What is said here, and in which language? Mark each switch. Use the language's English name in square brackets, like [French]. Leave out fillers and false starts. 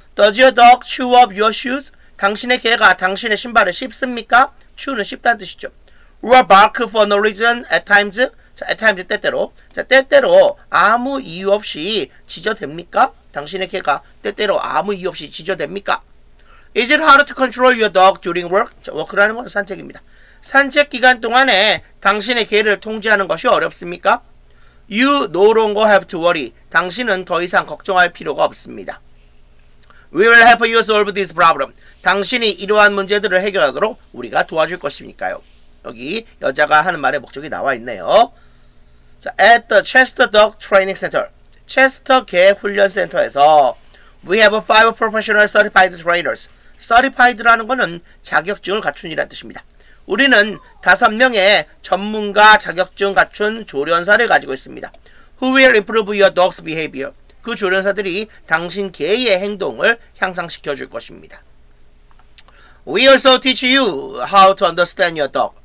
[English] Does your dog chew up your shoes? [Korean] 당신의 개가 당신의 신발을 씹습니까? Chew는 씹다는 뜻이죠. [English] Will bark for no reason at times? 자, at times [Korean] 때때로. 자, 때때로 아무 이유 없이 짖어댑니까? 당신의 개가 때때로 아무 이유 없이 짖어댑니까? [English] Is it hard to control your dog during work? [Korean] 자, work라는 건 산책입니다. 산책 기간 동안에 당신의 개를 통제하는 것이 어렵습니까? [English] You no longer have to worry. [Korean] 당신은 더 이상 걱정할 필요가 없습니다. [English] We will help you solve this problem. [Korean] 당신이 이러한 문제들을 해결하도록 우리가 도와줄 것이니까요. 여기 여자가 하는 말의 목적이 나와 있네요. [English] 자, at the Chester Dog Training Center. [Korean] 체스터 개 훈련 센터에서 [English] We have five professional certified trainers. [Korean] Certified라는 것은 자격증을 갖춘이라는 뜻입니다. 우리는 다섯 명의 전문가 자격증 갖춘 조련사를 가지고 있습니다. [English] Who will improve your dog's behavior? [Korean] 그 조련사들이 당신 개의 행동을 향상시켜 줄 것입니다. [English] We also teach you how to understand your dog.